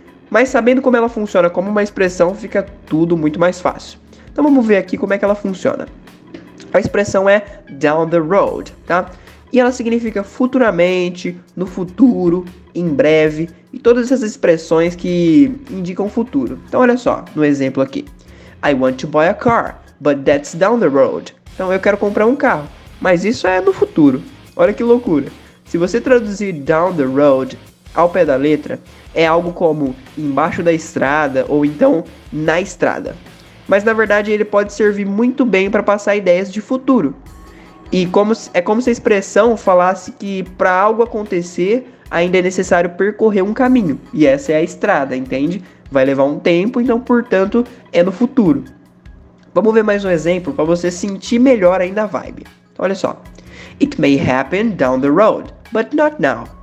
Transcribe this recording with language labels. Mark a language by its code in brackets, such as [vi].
[pt] Mas sabendo como ela funciona como uma expressão, fica tudo muito mais fácil. Então vamos ver aqui como é que ela funciona. A expressão é down the road, tá? E ela significa futuramente, no futuro, em breve, e todas essas expressões que indicam futuro. Então olha só, no exemplo aqui. [en] I want to buy a car, but that's down the road. [pt] Então eu quero comprar um carro. Mas isso é no futuro. Olha que loucura. Se você traduzir down the road ao pé da letra, é algo como embaixo da estrada ou então na estrada. Mas na verdade ele pode servir muito bem para passar ideias de futuro. E como, é como se a expressão falasse que para algo acontecer ainda é necessário percorrer um caminho. E essa é a estrada, entende? Vai levar um tempo, então portanto é no futuro. Vamos ver mais um exemplo para você sentir melhor ainda a vibe. Olha só, [en] it may happen down the road, but not now.